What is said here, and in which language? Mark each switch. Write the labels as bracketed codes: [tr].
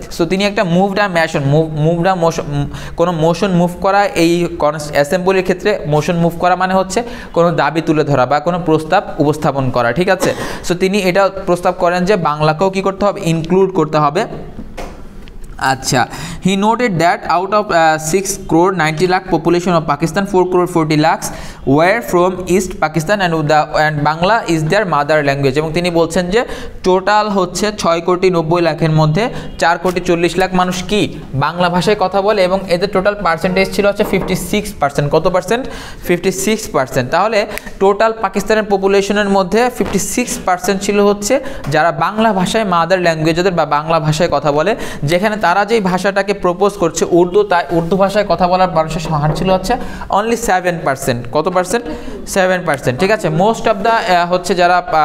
[bn] So তিনি একটা moved আর mason, moved আর motion, কোনো মোশন মুভ করা এই অ্যাসেম্বলির ক্ষেত্রে, মোশন মুভ করা মানে হচ্ছে কোনো দাবি তুলে ধরা বা কোনো প্রস্তাব উপস্থাপন করা, ঠিক আছে। সো তিনি এটা প্রস্তাব করেন যে বাংলাকেও কী করতে হবে, ইনক্লুড করতে হবে। আচ্ছা, [en] He noted that out of 6 crore 90 lakh population of Pakistan, 4 crore 40 lakhs were from East Pakistan and Bangla is their mother language. [bn] এবং তিনি বলছেন যে টোটাল হচ্ছে 6 কোটি 90 লাখের মধ্যে 4 কোটি 40 লাখ মানুষ কি বাংলা ভাষায় কথা বলে এবং এদের টোটাল পার্সেন্টেজ ছিল হচ্ছে 56% কত পার্সেন্ট 56% তাহলে টোটাল পাকিস্তানের পপুলেশনের মধ্যে 56% ছিল হচ্ছে যারা বাংলা ভাষায় মাদার ল্যাঙ্গুয়েজ ওদের বা বাংলা ভাষায় কথা বলে যেখানে তারা যেই ভাষাটাকে প্রপোজ করছে উর্দু তাই উর্দু ভাষায় কথা বলার মানুষের সংখ্যা ছিল হচ্ছে অনলি 7% কত পার্সেন্ট 7% ঠিক আছে মোস্ট অফ দা হচ্ছে যারা